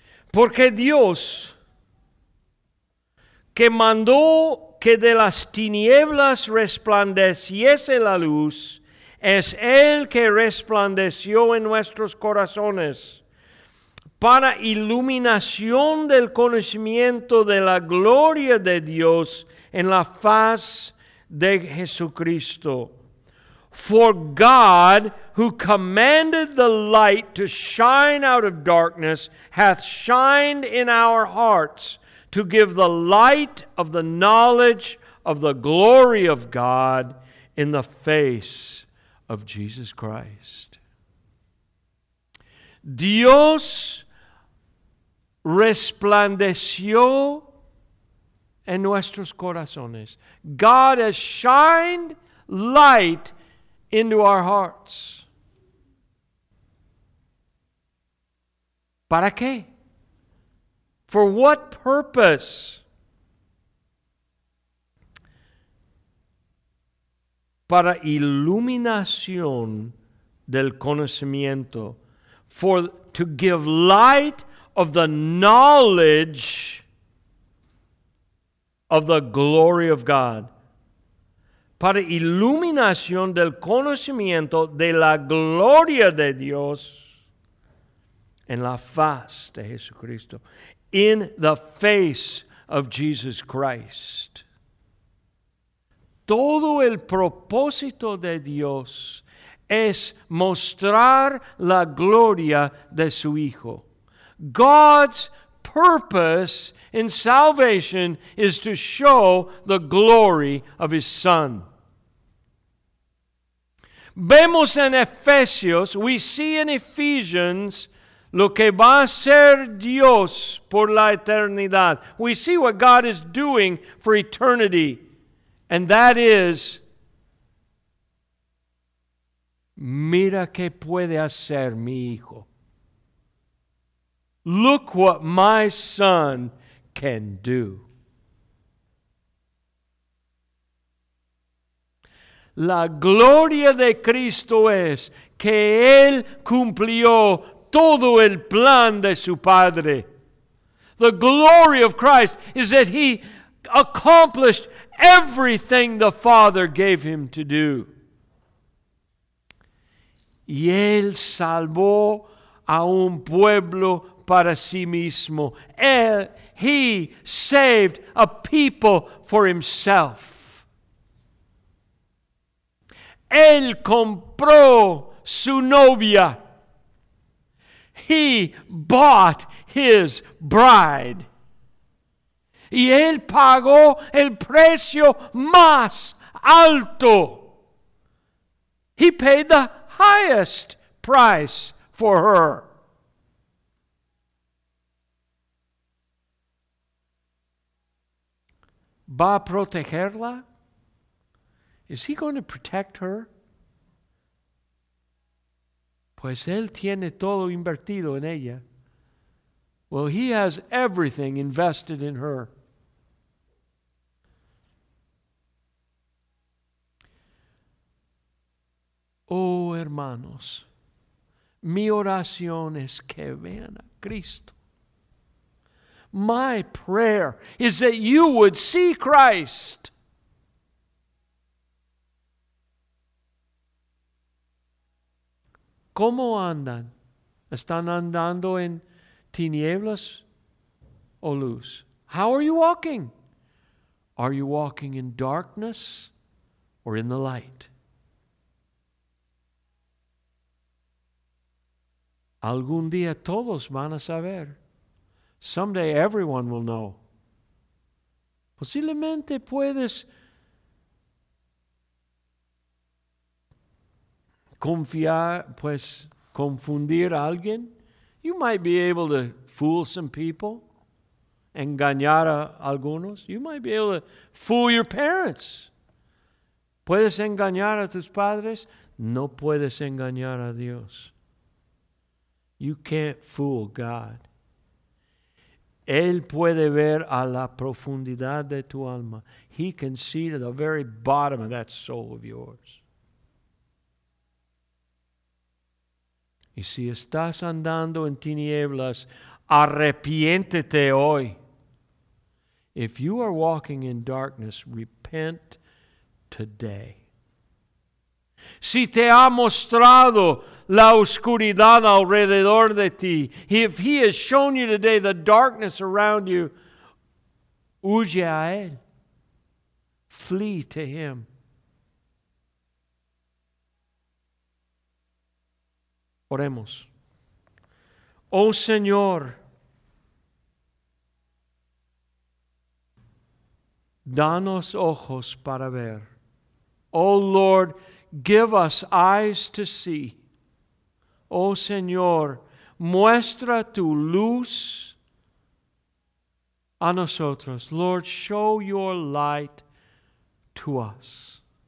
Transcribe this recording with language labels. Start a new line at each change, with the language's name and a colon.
Spanish: Porque Dios, que mandó que de las tinieblas resplandeciese la luz, es el que resplandeció en nuestros corazones para iluminación del conocimiento de la gloria de Dios en la faz de Jesucristo.
English: For God, who commanded the light to shine out of darkness, hath shined in our hearts to give the light of the knowledge of the glory of God in the face of Jesus Christ.
Spanish: Dios resplandeció en nuestros corazones.
English: God has shined light into our hearts.
Spanish: ¿Para qué?
English: For what purpose?
Spanish: Para iluminación del conocimiento.
English: For to give light of the knowledge of the glory of God.
Spanish: Para iluminación del conocimiento de la gloria de Dios en la faz de Jesucristo.
English: In the face of Jesus Christ.
Spanish: Todo el propósito de Dios es mostrar la gloria de su Hijo.
English: God's purpose in salvation is to show the glory of His Son.
Spanish: Vemos en Efesios,
English: we see in Ephesians,
Spanish: lo que va a ser Dios por la eternidad.
English: We see what God is doing for eternity, and that is,
Spanish: mira qué puede hacer mi hijo.
English: Look what my son can do.
Spanish: La gloria de Cristo es que Él cumplió todo el plan de su Padre.
English: The glory of Christ is that He accomplished everything the Father gave Him to do.
Spanish: Y Él salvó a un pueblo para sí mismo.
English: He saved a people for Himself.
Spanish: Él compró su novia.
English: He bought His bride.
Spanish: Y Él pagó el precio más alto.
English: He paid the highest price for her.
Spanish: ¿Va a protegerla?
English: Is He going to protect her?
Spanish: Pues Él tiene todo invertido en ella.
English: Well, He has everything invested in her.
Spanish: Oh, hermanos, mi oración es que vean a Cristo.
English: My prayer is that you would see Christ.
Spanish: ¿Cómo andan? ¿Están andando en tinieblas o luz?
English: How are you walking? Are you walking in darkness or in the light?
Spanish: Algún día todos van a saber.
English: Someday everyone will know.
Spanish: Posiblemente puedes confiar, pues, confundir a alguien.
English: You might be able to fool some people,
Spanish: engañar a algunos.
English: You might be able to fool your parents.
Spanish: ¿Puedes engañar a tus padres? No puedes engañar a Dios.
English: You can't fool God.
Spanish: Él puede ver a la profundidad de tu alma.
English: He can see to the very bottom of that soul of yours.
Spanish: Y si estás andando en tinieblas, arrepiéntete hoy.
English: If you are walking in darkness, repent today.
Spanish: Si te ha mostrado la oscuridad alrededor de ti,
English: if he has shown you today the darkness around you,
Spanish: huye a él.
English: Flee to him.
Spanish: Oremos. Oh Señor, danos ojos para ver.
English: Oh Lord, give us eyes to see.
Spanish: Oh Señor, muestra tu luz a nosotros.
English: Lord, show your light to us.